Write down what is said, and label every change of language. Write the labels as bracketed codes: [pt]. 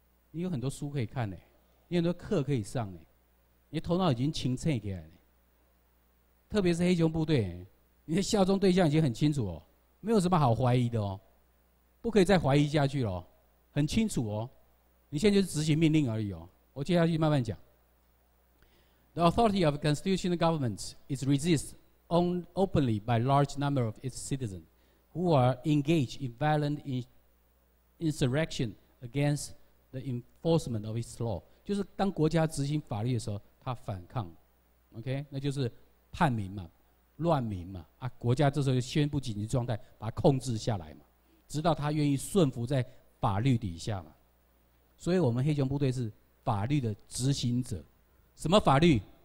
[zh] 你有很多书可以看呢，你很多课可以上，你的头脑已经清澈起来了。特别是黑熊部队，你的效忠对象已经很清楚哦，没有什么好怀疑的哦，不可以再怀疑下去了、哦，很清楚哦。你现在就是执行命令而已哦。我接下去慢慢讲。 [en] The authority of constitutional government is resisted openly by large number of its citizens who are engaged in violent insurrection against the enforcement of its law. [zh] 就是当国家执行法律的时候，他反抗 ，OK， 那就是叛民嘛。乱民嘛，啊，国家这时候就宣布紧急状态，把它控制下来嘛，直到他愿意顺服在法律底下嘛。所以我们黑熊部队是法律的执行者。什么法律？